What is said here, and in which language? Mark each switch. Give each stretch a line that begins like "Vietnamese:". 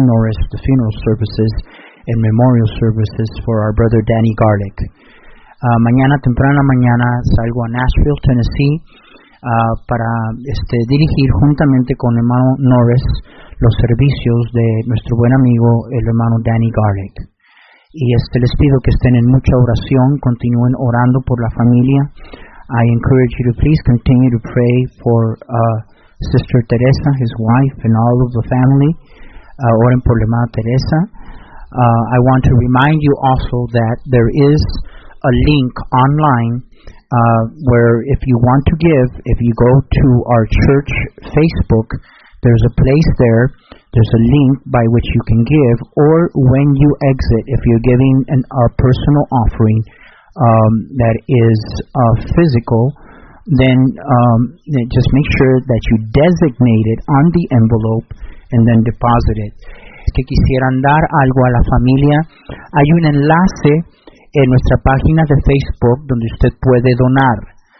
English: Norris, the funeral services and memorial services for our brother Danny Garlick.
Spanish: Mañana, temprana mañana, salgo a Nashville, Tennessee, para dirigir juntamente con hermano Norris los servicios de nuestro buen amigo, el hermano Danny Garlick. Y les pido que estén en mucha oración, continúen orando por la familia.
English: I encourage you to please continue to pray for Sister Teresa, his wife, and all of the family.
Spanish: Oren por la hermana Teresa.
English: I want to remind you also that there is a link online where if you want to give, if you go to our church Facebook, there's a place there, there's a link by which you can give, or when you exit, if you're giving a personal offering that is physical, then just make sure that you designate it on the envelope and then deposit it.
Spanish: Es que quisieran dar algo a la familia. Hay un enlace en nuestra página de Facebook donde usted puede donar.